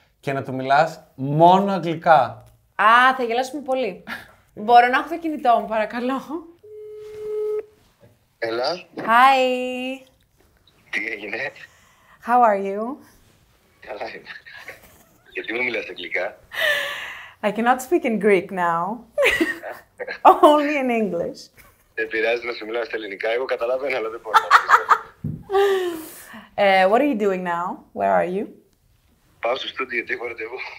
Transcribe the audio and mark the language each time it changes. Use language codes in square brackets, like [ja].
[el] Και να του μιλάς μόνο αγγλικά. Α, θα γελάσουμε πολύ. Μπορώ να έχω το κινητό μου, παρακαλώ. Έλα. [en] Hi. [el] Τι έγινε. [en] How are you? [el] Καλά είμαι. Γιατί μου μιλάς αγγλικά. [en] I cannot speak in Greek now. Only in English. [el] Δεν πειράζει να σου μιλάω στα ελληνικά. Εγώ καταλαβαίνω, αλλά δεν μπορώ. [en] What are you doing now? Where are you? [el] Πάω στο στούντιο, γιατί έχω ραντεβού.